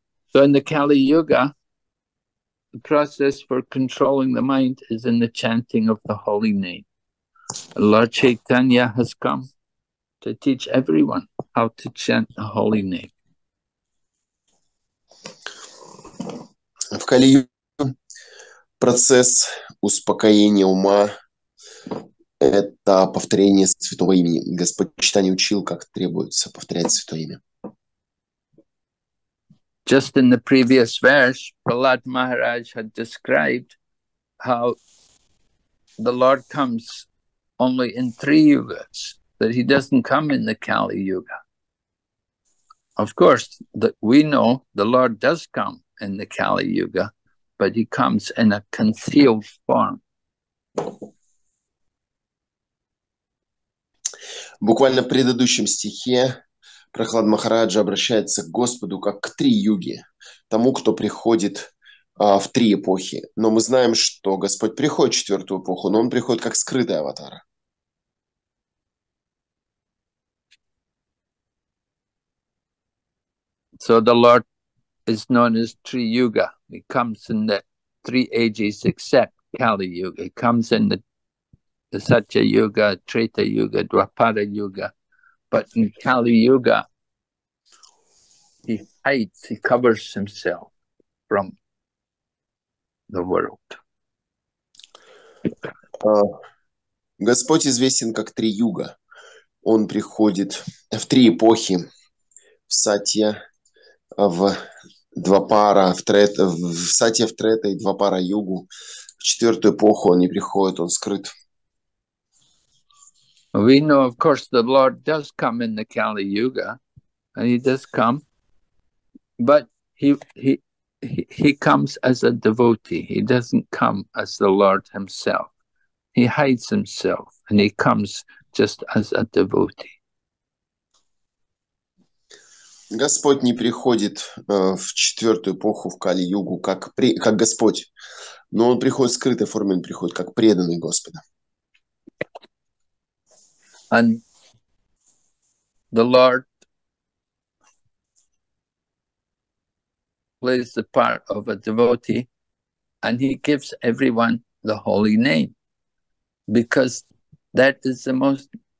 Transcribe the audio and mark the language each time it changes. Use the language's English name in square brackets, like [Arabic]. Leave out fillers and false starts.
[English] So in the Kali Yuga, the process for controlling the mind is in the chanting of the holy name. Lord Chaitanya has come to teach everyone how to chant the holy name. [Russian] В Кали Юге процесс успокоения ума – это повторение святого имени. Господь Читание учил, как требуется повторять святое имя. [English] Just in the previous verse, Prahlad Maharaj had described how the Lord comes only in three yugas, that he doesn't come in the Kali Yuga. Of course, we know the Lord does come in the Kali Yuga, but he comes in a concealed form. [Russian] Буквально в предыдущем стихе Прохлад Махараджа обращается к Господу как к три юге, тому, кто приходит в три эпохи. Но мы знаем, что Господь приходит в четвертую эпоху, но Он приходит как скрытый аватар. [English] So the Lord is known as Tri Yuga. He comes in the three ages except Kali Yuga. He comes in the Satya Yuga, Treta Yuga, Dwapara Yuga. But in Kali Yuga, he hides, he covers himself from the world. [Russian] Господь известен как Три Юга. Он приходит в три эпохи, в Сатья, в Двапара, в Сатья, в Трета и Двапара Югу. В четвертую эпоху он не приходит, он скрыт. [English] We know, of course, the Lord does come in the Kali Yuga, and he does come. But he comes as a devotee. He doesn't come as the Lord himself. He hides himself, and he comes just as a devotee. [Russian] Господь не приходит в четвертую эпоху в Кали-югу как Господь, но Он приходит в скрытой форме, Он приходит как преданный Господа. [English] And the Lord plays the part of a devotee, and he gives everyone the holy name, because that is the most